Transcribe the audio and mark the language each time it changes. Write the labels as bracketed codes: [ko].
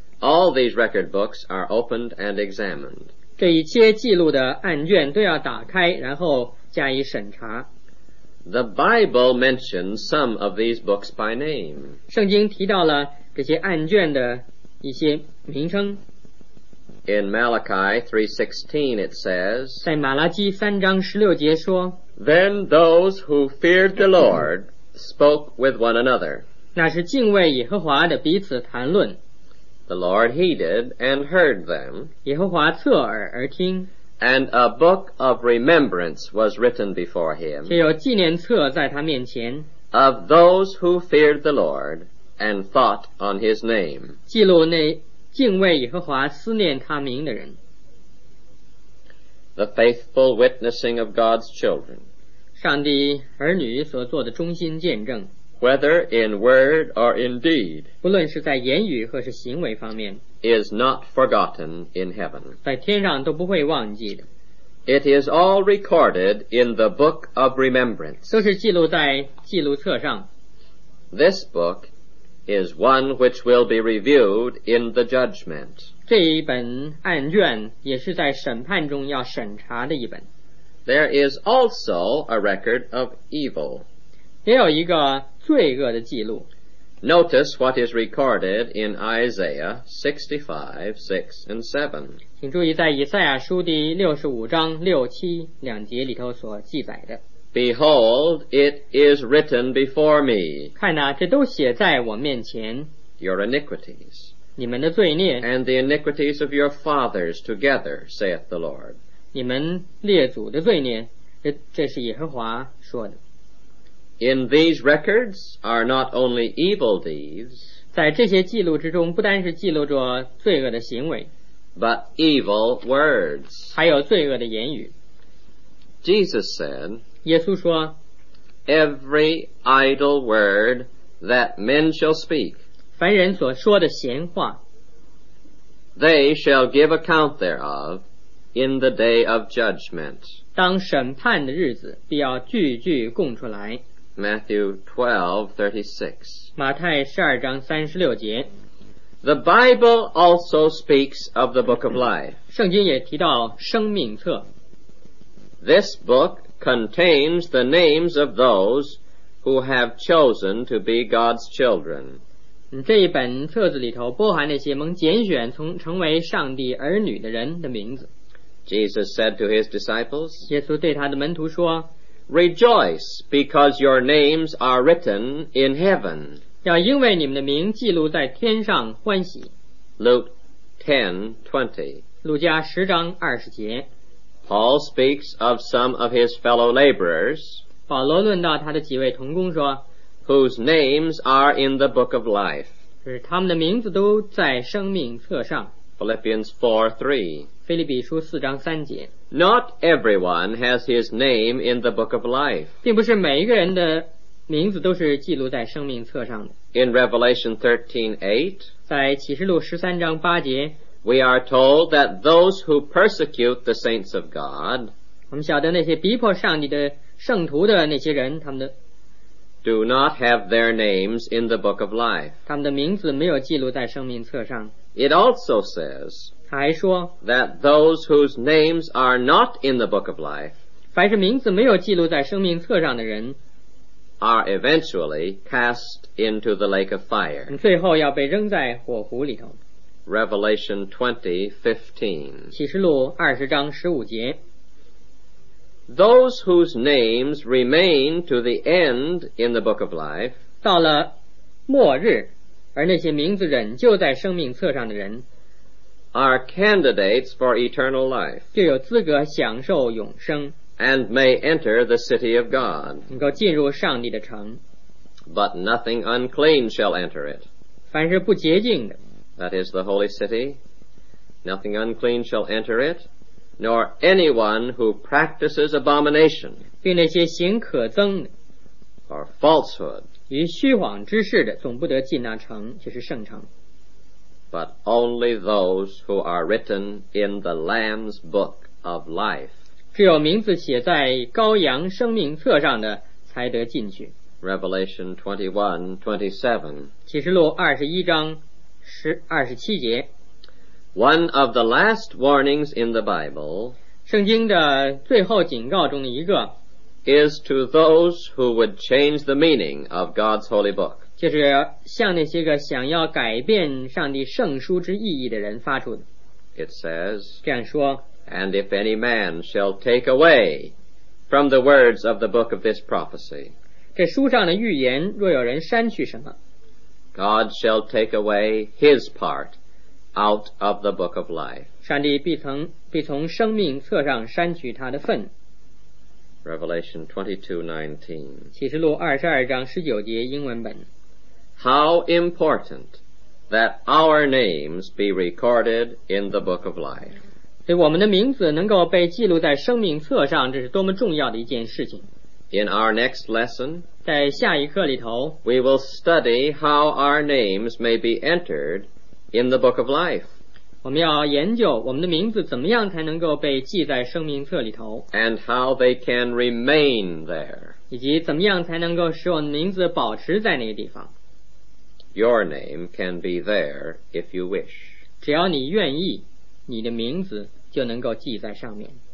[en] All these record books are opened and examined. [zh] 这一切记录的案卷都要打开然后加以审查。 [en] The Bible mentions some of these books by name. [zh] 圣经提到了这些案卷的一些名称。 [en] In Malachi 3:16 it says, [zh] 在马拉基三章十六节说, [en] Then those who feared the Lord spoke with one another. [zh] 那是敬畏耶和华的彼此谈论。 [en] The Lord heeded and heard them. [zh] 耶和华侧耳而听。 [en] And a book of remembrance was written before him. [zh] 却有纪念册在他面前。 [en] Of those who feared the Lord and thought on his name. [zh] 记录那敬畏耶和华思念他名的人。 [en] The faithful witnessing of God's children, [zh] 上帝儿女所做的忠心见证。 [en] Whether in word or in deed, [zh] 不论是在言语或是行为方面。 [en] Is not forgotten in heaven, [zh] 在天上都不会忘记的。 [en] It is all recorded in the book of remembrance, [zh] 都是记录在记录册上。 [en] This book is one which will be reviewed in the judgment. [zh] 这一本案卷也是在审判中要审查的一本。 [en] There is also a record of evil. [zh] 也有一个罪恶的记录。 [en] Notice what is recorded in Isaiah 65:6-7. [zh] 请注意在以赛亚书第65章6、7两节里头所记载的。 [en] Behold, it is written before me. [zh] 看哪，这都写在我面前。 [en] Your iniquities, [zh] 你们的罪孽。 [en] And the iniquities of your fathers together, saith the Lord. [zh] 你们列祖的罪孽，这是耶和华说的。 [en] In these records are not only evil deeds, [zh] 在这些记录之中，不单是记录着罪恶的行为。 [en] But evil words, [zh] 还有罪恶的言语。 [en] Jesus said, [zh] 耶稣说, [en] Every idle word that men shall speak, [zh] 凡人所说的闲话, [en] they shall give account thereof in the day of judgment. [zh] 当审判的日子必要句句供出来。 [en] Matthew 12:36, [zh] 马太12章36节。 [en] The Bible also speaks of the book of life. [zh] 圣经也提到生命册。 [en] This book contains the names of those who have chosen to be God's children. [zh] 这一本册子里头包含那些蒙拣选成为上帝儿女的人的名字。 [en] Jesus said to his disciples, [zh] 耶稣对他的门徒说, [en] Rejoice because your names are written in heaven. [zh] 要因为你们的名记录在天上欢喜。 [en] Luke 10:20, [zh] 路加十章二十节。 [en] Paul speaks of some of his fellow laborers, [zh] 保罗论到他的几位同工说, [en] whose names are in the book of life, [zh] 是他们的名字都在生命册上。 [en] Philippians 4:3, [zh] 腓立比书四章三节。 [en] Not everyone has his name in the book of life, [zh] 并不是每一个人的名字都是记录在生命册上的。 [en] In Revelation 13:8, [zh] 在启示录十三章八节。 [en] We are told that those who persecute the saints of God, [zh] 我们晓得那些逼迫上帝的圣徒的那些人，他们的 [en] do not have their names in the book of life. [zh] 他们的名字没有记录在生命册上。 [en] It also says, [zh] 他还说 [en] that those whose names are not in the book of life, [zh] 凡是名字没有记录在生命册上的人 [en] are eventually cast into the lake of fire. [zh] 最后要被扔在火湖里头。 [en] Revelation 20:15. [zh] 启示录二十章十五节。 [en] Those whose names remain to the end in the book of life, [zh] 到了末日，而那些名字仍旧在生命册上的人 [en] are candidates for eternal life, [zh] 就有资格享受永生 [en] and may enter the city of God, [zh] 能够进入上帝的城。 [en] But nothing unclean shall enter it, [zh] 凡是不洁净的 [en] That is the holy city. Nothing unclean shall enter it, nor anyone who practices abomination, [zh] 并那些行可憎的 [en] or falsehood, [zh] 与虚谎之事的总不得进那城，就是圣城。 [en] But only those who are written in the Lamb's book of life, [zh] 只有名字写在羔羊生命册上的才得进去。 [en] Revelation 21:27. [zh] 启示录二十一章二十七节。 [en] One of the last warnings in the Bible, [zh] 圣经的最后警告中的一个 [en] is to those who would change the meaning of God's holy book, [zh] 就是向那些个想要改变上帝圣书之意义的人发出的。 [en] It says, [zh] 这样说 [en] And if any man shall take away from the words of the book of this prophecy, [zh] 这书上的预言若有人删去什么 [en] God shall take away his part out of the book of life. [zh] 上帝必从生命册上删去他的份。 [en] Revelation 22:19. [zh] 启示录二十二章十九节英文本。 [en] How important that our names be recorded in the book of life. [zh] 对我们的名字能够被记录在生命册上，这是多么重要的一件事情。 [en] In our next lesson, [zh] 在下一课里头 [en] we will study how our names may be entered in the book of life. [zh] 我们要研究我们的名字怎么样才能够被记在生命册里头 [en] and how they can remain there. [zh] 以及怎么样才能够使我们的名字保持在那个地方。 [en] Your name can be there if you wish. [zh] 只要你愿意，你的名字就能够记在上面。